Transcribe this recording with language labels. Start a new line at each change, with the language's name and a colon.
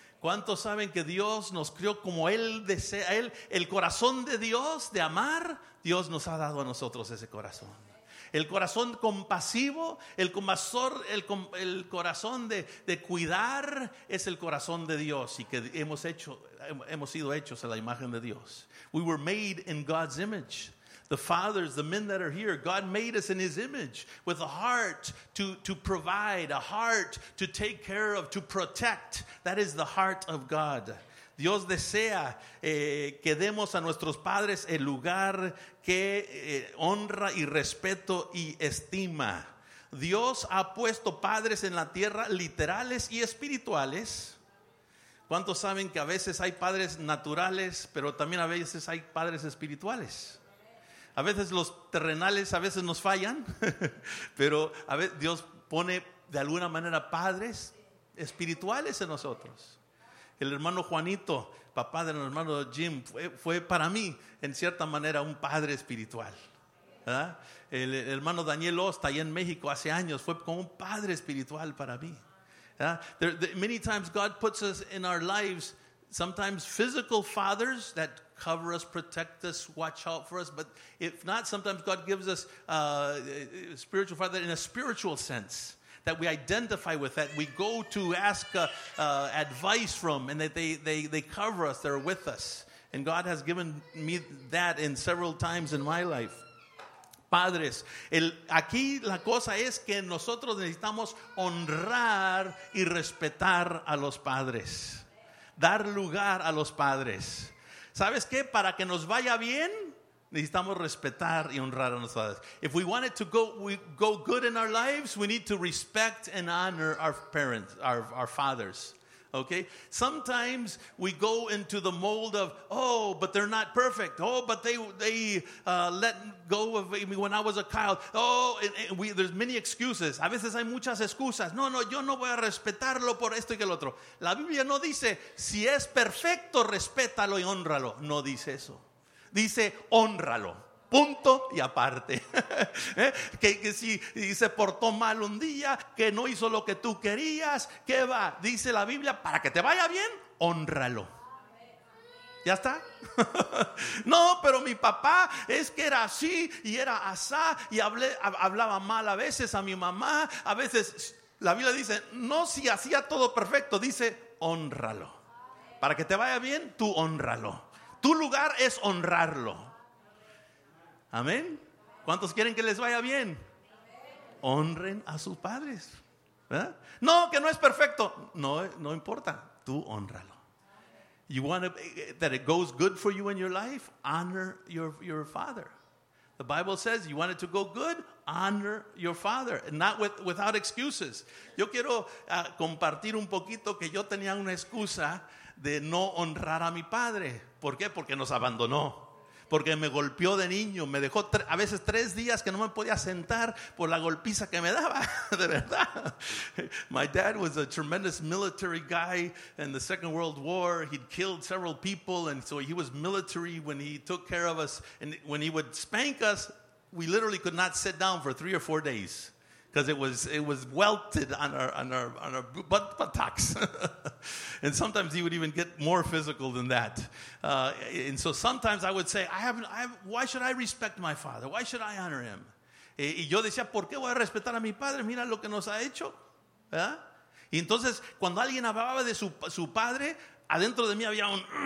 Spanish: ¿Cuántos saben que Dios nos crió como Él desea? Él, el corazón de Dios, de amar, Dios nos ha dado a nosotros ese corazón. El corazón compasivo, el corazón de cuidar, es el corazón de Dios, y que hemos sido hechos a la imagen de Dios.
English: We were made in God's image. The fathers, the men that are here, God made us in His image with a heart to provide, a heart to take care of, to protect. That is the heart of God.
Spanish: Dios desea que demos a nuestros padres el lugar que honra y respeto y estima. Dios ha puesto padres en la tierra, literales y espirituales. ¿Cuántos saben que a veces hay padres naturales, pero también a veces hay padres espirituales? A veces los terrenales a veces nos fallan, pero a veces Dios pone de alguna manera padres espirituales en nosotros. El hermano Juanito, papá del hermano Jim, fue para mí, en cierta manera, un padre espiritual. El hermano Daniel Osta, allá en México, hace años, fue como un padre espiritual para mí.
English: Many times God puts us in our lives, sometimes physical fathers that cover us, protect us, watch out for us. But if not, sometimes God gives us a spiritual father in a spiritual sense. That we identify with, that we go to ask advice from, and that they cover us, they're with us. And God has given me that in several times in my life.
Spanish: Padres, aquí la cosa es que nosotros necesitamos honrar y respetar a los padres. dar lugar a los padres. ¿Sabes qué? Para que nos vaya bien, necesitamos respetar y honrar a nuestros padres.
English: If we want it to go good in our lives, we need to respect and honor our parents, our fathers. Okay? Sometimes we go into the mold of, oh, but they're not perfect. Oh, but they let go of me when I was a child. Oh, there's many excuses.
Spanish: A veces hay muchas excusas. No, yo no voy a respetarlo por esto y que el otro. La Biblia no dice, si es perfecto, respétalo y honralo. No dice eso. Dice, honralo. Punto y aparte. que si se portó mal un día, que no hizo lo que tú querías, ¿qué va? Dice la Biblia, para que te vaya bien, honralo. ¿Ya está? No, pero mi papá es que era así y era asá y hablaba mal a veces a mi mamá. A veces la Biblia dice, no si hacía todo perfecto, dice, honralo. Para que te vaya bien, tú honralo. Tu lugar es honrarlo. ¿Amén? ¿Cuántos quieren que les vaya bien? Honren a sus padres. ¿Verdad? No, que no es perfecto. No importa. Tú honralo.
English: You want that it goes good for you in your life? Honor your father. The Bible says, you want it to go good? Honor your father. Not without excuses.
Spanish: Yo quiero compartir un poquito que yo tenía una excusa de no honrar a mi padre. ¿Por qué? Porque nos abandonó. Porque me golpeó de niño, me dejó a veces 3 días que no me podía sentar por la golpiza que me daba, de verdad.
English: My dad was a tremendous military guy in the Second World War. He'd killed several people, and so he was military when he took care of us. And when he would spank us, we literally could not sit down for 3 or 4 days because it was welted on our buttocks. And sometimes he would even get more physical than that. And so sometimes I would say, why should I respect my father? Why should I honor him?
Spanish: Y yo decía, ¿por qué voy a respetar a mi padre? Mira lo que nos ha hecho. ¿Verdad? Y entonces, cuando alguien hablaba de su padre, adentro de mí había un...